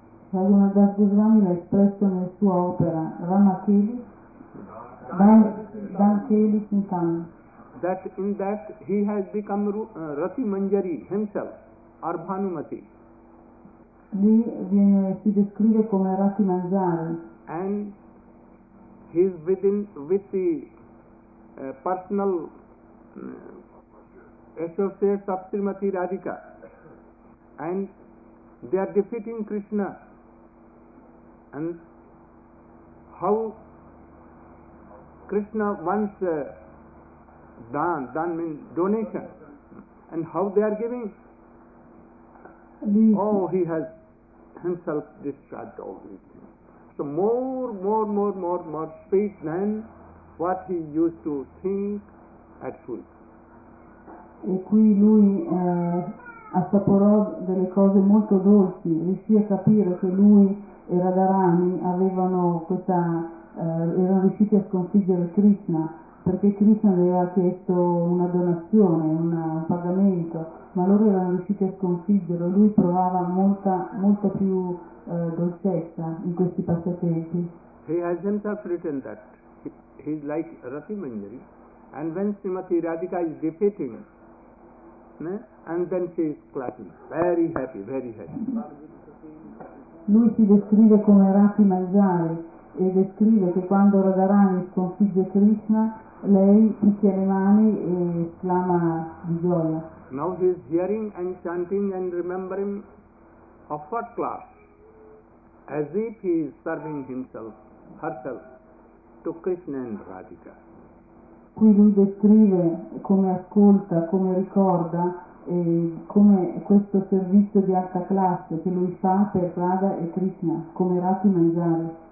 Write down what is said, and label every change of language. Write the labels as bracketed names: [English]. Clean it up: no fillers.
[Italian] Raghunath Das Goswami l'ha espresso nella sua opera Ramakeli Dal Keli Chintamani. [English] That in that he has become Rati Manjari himself, or Bhanumati. [Italian] Lì viene, si descrive come Rati Manjari. [English] And he is with the personal associates of Srimati Radhika. And they are defeating Krishna. And how Krishna once Dan means donation. And how they are giving? Oh, he has himself discharged all these things. So more speech than what he used to think at first. [Italian] E qui lui assaporò delle cose molto dolci, riuscì a capire che lui e Radharani avevano questa erano riusciti a sconfiggere Krishna. Perché Krishna aveva chiesto una donazione, un pagamento, ma loro erano riusciti a sconfiggerlo. Lui provava molta più dolcezza in questi passatempi. [English] He has himself written that he is like Rati Manjari, and when Srimati Radhika is defeating, and then she is clapping, very happy, very happy. [Italian] Lui si descrive come Rati Manjari e descrive che quando Radharani sconfigge Krishna lei picchia le mani e esclama di gioia. [English] Now he is hearing and chanting and remembering of what class, as if he is serving himself, herself, to Krishna and Radhika. [Italian] Qui lui descrive come ascolta, come ricorda, e come questo servizio di alta classe che lui fa per Radha e Krishna, come Rati Manjari.